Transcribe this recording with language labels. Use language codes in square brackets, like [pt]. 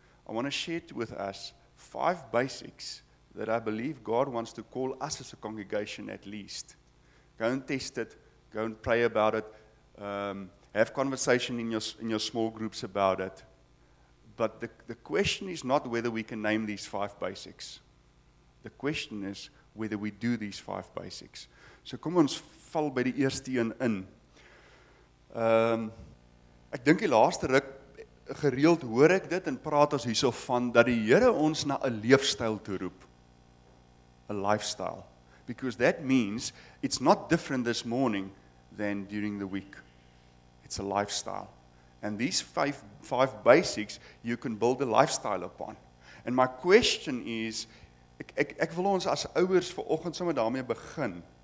[en] I want to share with us 5 basics that I believe God wants to call us as a congregation at least. Go and test it. Go and pray about it. Have conversation in your small groups about it. But the question is not whether we can name these 5 basics. The question is whether we do these 5 basics. [af] So kom ons val by die eerste een in. Ek dink die laaste ruk, gereeld hoor ek dit en praat ons hierso van dat die Here ons na 'n leefstyl toe roep. [en] A lifestyle. Because that means it's not different this morning than during the week. It's a lifestyle. And these 5 basics you can build a lifestyle upon. [af] And my question is, ek wil ons as ouers vanoggend sommer daarmee begin.